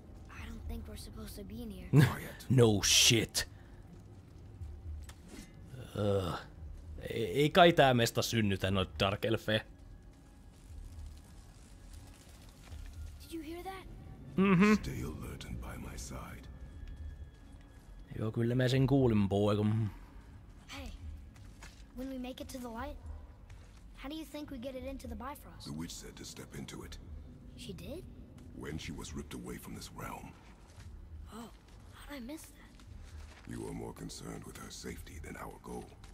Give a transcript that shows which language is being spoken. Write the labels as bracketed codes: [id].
[en] I don't think we're supposed to be in here. No shit. [fi] Ei kai tää mesta synnytä noit [en] dark elfejä. Mm-hmm. Stay alert and by my side. [fi] Joo, kyllä mä sen kuulin, poika. [en] Hey, when we make it to the light, how do you think we get it into the Bifrost? The witch said to step into it. She did? When she was ripped away from this realm. Oh, how did I miss that? You are more concerned with her safety than our goal.